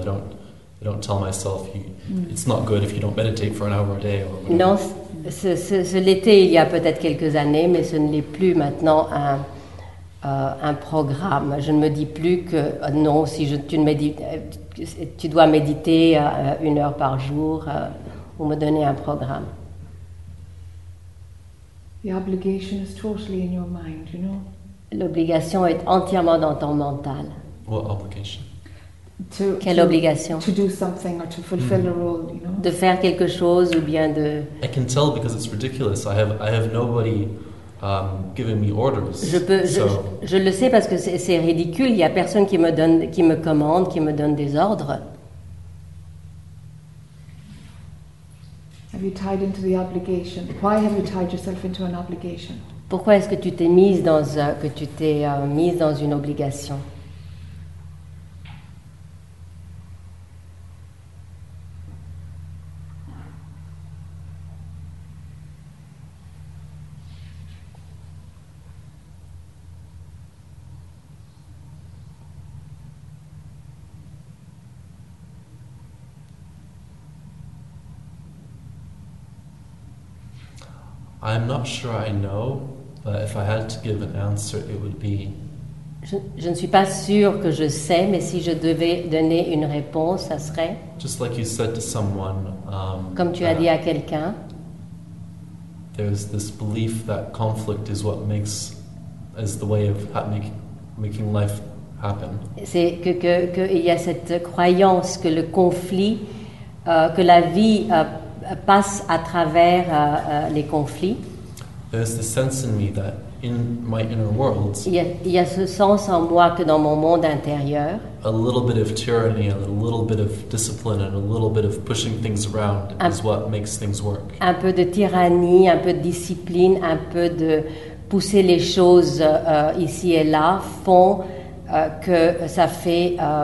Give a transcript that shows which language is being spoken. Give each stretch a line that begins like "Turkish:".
English: I don't tell myself it's not good if you don't meditate for an hour a day or whatever.
French: Non, ce l'était il y a peut-être quelques années, mais ce ne l'est plus maintenant un programme. Je ne me dis plus que non, si tu dois méditer une heure par jour ou me donner un programme.
English: The obligation is totally in your mind, you know.
French: L'obligation est entièrement dans ton mental.
English: What obligation?
French: Quelle obligation?
English: To do something or to fulfill a role, you know.
French: De faire quelque chose ou bien de.
English: I can tell because it's ridiculous. I have nobody giving me orders.
French: Je le sais parce que c'est ridicule. Il y a personne qui me donne des ordres.
English: Have you tied into the obligation? Why have you tied yourself into an obligation?
French: Pourquoi est-ce que tu t'es mise dans mise dans une obligation?
English: I'm not sure I know, but if I had to give an answer, it would be.
French: Je ne suis pas sûr que je sais, mais si je devais donner une réponse, ça serait.
English: Just like you said to someone.
French: Comme tu as dit à quelqu'un.
English: There's this belief that conflict is what is the way of making life happen.
French: C'est que il y a cette croyance que le conflit, que la vie. Passe à travers les conflits.
English: There's the sense in me that in my inner world.
French: Il y a ce sens en moi que dans mon monde intérieur.
English: A little bit of tyranny and a little bit of discipline and a little bit of pushing things around is what makes things work.
French: Un peu de tyrannie, un peu de discipline, un peu de pousser les choses ici et là font que ça fait.